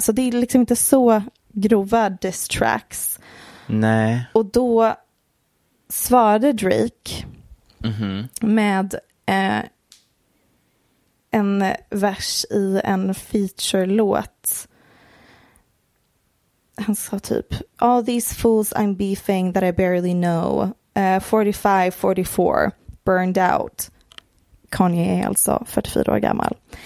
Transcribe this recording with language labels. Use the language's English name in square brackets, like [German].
[Swedish] Så det är liksom inte så grova diss tracks. Nej. Och då svarade Drake med en vers i en feature-låt. Han sa typ [English] "All these fools I'm beefing that I barely know. 45, 44, burned out." [Swedish] Kanye är alltså 44 år gammal.